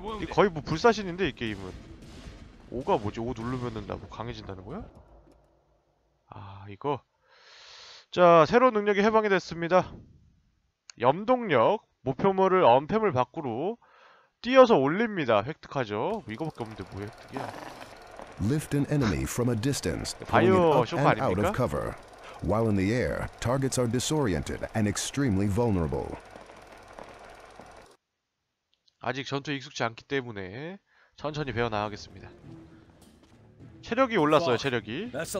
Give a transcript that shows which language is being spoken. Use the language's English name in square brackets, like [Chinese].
[Korean] 거의 뭐 불사신인데 이 게임은. 5가 뭐지? 5 누르면은 나 뭐 강해진다는 거야? 아 이거 자 새로운 능력이 해방이 됐습니다. 염동력 목표물을 언패물 밖으로 뛰어서 올립니다. 획득하죠. 뭐 이거밖에 없는데 뭐 획득이야? [English] Lift an enemy from a distance, pulling it up and out of cover. While in the air, targets are disoriented and extremely vulnerable. [Korean] 아직 전투에 익숙치 않기 때문에 천천히 배워 나가겠습니다. 체력이 올랐어요. 체력이.